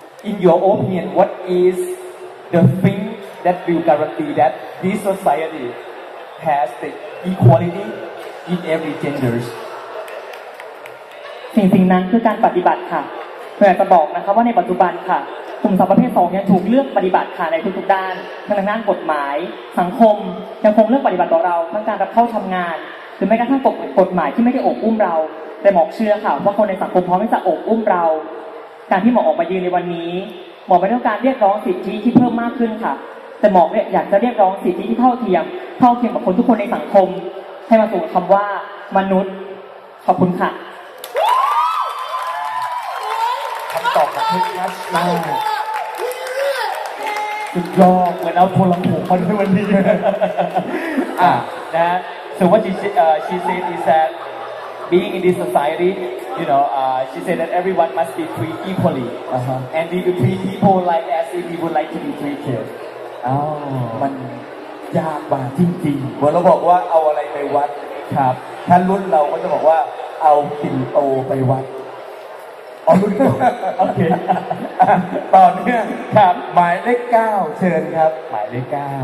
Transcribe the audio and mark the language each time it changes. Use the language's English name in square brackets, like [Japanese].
[English] In your opinion, what is the thing that will guarantee that this society has the equality in every genders? [Thai] สิ่งนั้นคือการปฏิบัติค่ะเพื่อจะบอกนะครับว่าในปัจจุบันค่ะกลุ่มสาวประเภท2ยังถูกเลือกปฏิบัติค่ะในทุกๆด้านทั้งในด้านกฎหมายสังคมยังคงเลือกปฏิบัติต่อเราทั้งการรับเข้าทำงานหรือแม้กระทั่งกฎหมายที่ไม่ได้อบอุ้มเราแต่หมอกเชื่อค่ะว่าคนในสังคมพร้อมที่จะอบอุ้มเราการที่หมอออกมายืนในวันนี้หมอไม่ต้องการเรียกร้องสิทธิที่เพิ่มมากขึ้นค่ะแต่หมอเนี่ยอยากจะเรียกร้องสิทธิที่เท่าเทียมกับคนทุกคนในสังคมให้มาสู่คำว่ามนุษย์ขอบคุณค่ะ คำตอบของพี่นัทมาสุดยอดเหมือนเอาโทรลำโพงมาด้วยวันนี้อ่ะนะถือว่าชีเซนอีแซ [English] Being in this society, you know, she said that everyone must be treated equally. Uh-huh. And we could treat people like as if we would like to be treated. Oh. [Thai] มันยากมากจริงๆเมื่อเราบอกว่าเอาอะไรไปวัด ครับ ถ้ารุ่นเราก็จะบอกว่าเอาสิ่งโตไปวัด เอารุ่นโตโอเค ต่อเนื่อง ครับ หมายเลข9เชิญครับ หมายเลข9